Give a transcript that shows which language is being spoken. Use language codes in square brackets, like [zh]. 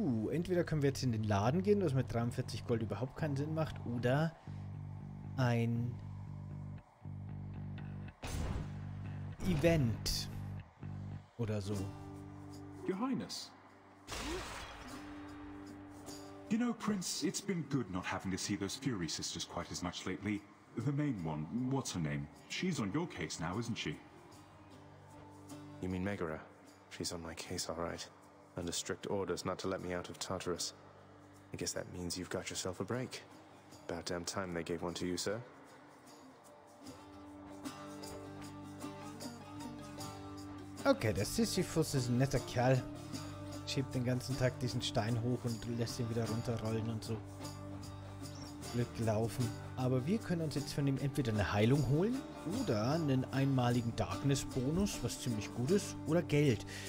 [de] Entweder können wir jetzt in den Laden gehen, was mit 43 Gold überhaupt keinen Sinn macht, oder ein Event oder so. [en] Your Highness. You know, Prince, it's been good not having to see those Fury sisters quite as much lately. The main one, what's her name? She's on your case now, isn't she? You mean Megara? She's on my case, all right. Under strict orders not to let me out of Tartarus. I guess that means you've got yourself a break. About damn time they gave one to you, sir. [de] Okay, der Sisyphus ist ein netter Kerl. Schiebt den ganzen Tag diesen Stein hoch und lässt ihn wieder runterrollen und so. Glück laufen. Aber wir können uns jetzt von ihm entweder eine Heilung holen oder einen einmaligen Darkness-Bonus, was ziemlich gut ist, oder Geld.